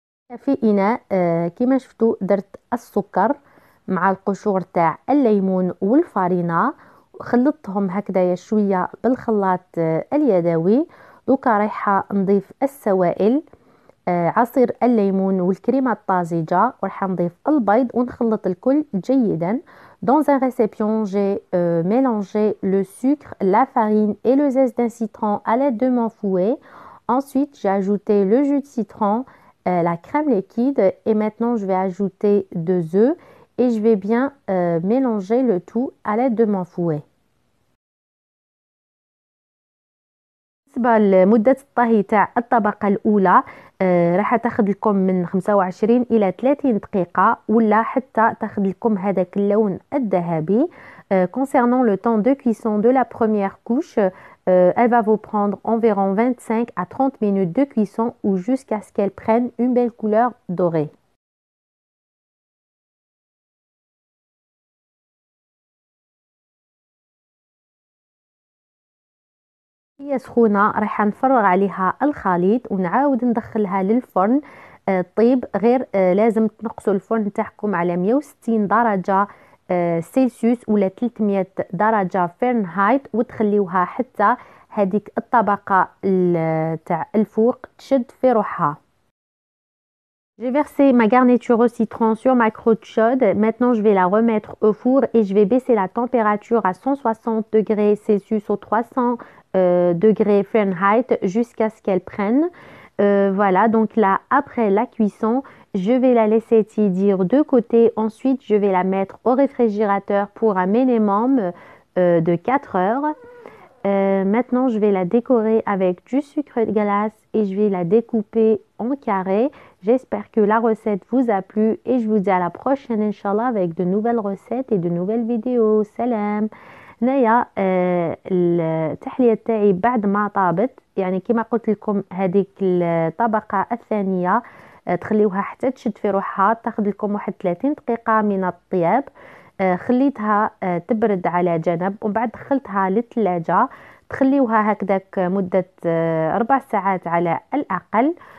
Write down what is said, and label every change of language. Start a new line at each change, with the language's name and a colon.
Arabic: كافي إناء كيما شفتو درت السكر مع القشور تاع الليمون والفارينة وخلطتهم هكذايا شوية بالخلاط اليدوي. دوكا رايحة نضيف السوائل، عصير الليمون والكريمة الطازجة، ورح نضيف البيض ونخلط الكل جيدا.
French: Dans un récipient, j'ai mélangé le sucre, la farine et le zeste d'un citron à l'aide de mon fouet. Ensuite, j'ai ajouté le jus de citron, la crème liquide et maintenant je vais ajouter 2 œufs et je vais bien mélanger le tout à l'aide de mon fouet.
Arabic: بالنسبة لمدة الطهي تاع الطبقة الأولى راح تاخذ لكم من 25 إلى 30 دقيقة ولا حتى تاخذ لكم هذاك اللون الذهبي.
French: Concernant le temps de cuisson de la première couche, elle va vous prendre environ 25 à 30 minutes de cuisson ou jusqu'à ce qu'elle prenne une belle couleur dorée.
Arabic: هي سخونة راح نفرغ عليها الخليط ونعاود ندخلها للفرن طيب، غير لازم تنقصوا الفرن تاعكم على 160 درجة سيلسيوس ولا 300 درجة فهرنهايت، وتخليوها حتى هذيك الطبقة تاع الفوق تشد في روحها.
French: J'ai versé ma garniture au citron sur ma croûte chaude. Maintenant, je vais la remettre au four et je vais baisser la température à 160 degrés Celsius ou 300 degrés Fahrenheit jusqu'à ce qu'elle prenne. Voilà, donc là, après la cuisson, je vais la laisser tiédir de côté. Ensuite, je vais la mettre au réfrigérateur pour un minimum de 4 heures. Maintenant, je vais la décorer avec du sucre de glace et je vais la découper en carré. J'espère que la recette vous a plu et je vous dis à la prochaine, Inch'Allah, avec de nouvelles recettes et de nouvelles vidéos. Salam!
Arabic: Naya, التحلية تاعي بعد ما طابت، يعني كما قلت لكم هذيك الطبقة الثانية تخليوها حتى تشد في روحها، تاخذ لكم واحد 30 دقيقة من الطياب. خليتها تبرد على جنب ومن بعد دخلتها للثلاجة، تخليوها هكذاك مدة 4 ساعات على الأقل.